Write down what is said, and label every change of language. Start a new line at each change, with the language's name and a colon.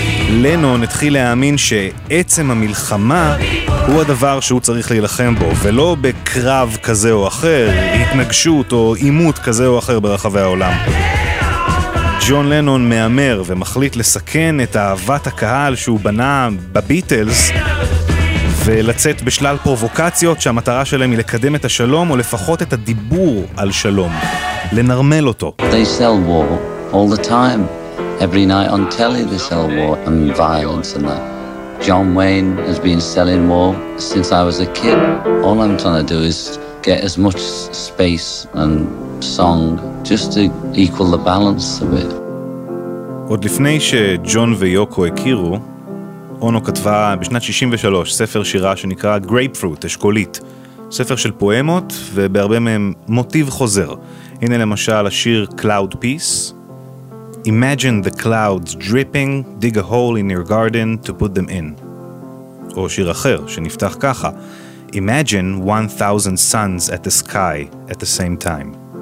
Hebrew: לנון התחיל להאמין שעצם המלחמה הוא הדבר שהוא צריך להילחם בו, ולא בקרב כזה או אחר, התנגשות או עימות כזה או אחר ברחבי העולם. ג'ון לנון מאמר ומחליט לסכן את אהבת הקהל שהוא בנה בביטלס ולצאת בשלל פרובוקציות שהמטרה שלהם היא לקדם את השלום או לפחות את הדיבור על שלום, לנרמל אותו.
English: They sell war all the time. Every night on telly they sell war and violence and that. John Wayne has been selling war since I was a kid. All I'm trying to do is get as much space and song just to equal the balance a bit.
Hebrew: עוד לפני שג'ון ויוקו הכירו, אונו כתבה בשנת 63 ספר שירה שנקרא Grapefruit, אשקולית. ספר של פואמות ובהרבה מהם מוטיב חוזר. הנה למשל השיר Cloud Peace.
English: Imagine the clouds dripping, dig a hole in your garden to put them in.
Hebrew: או שיר אחר שנפתח ככה.
English: Imagine 1,000 suns at the sky at the same time.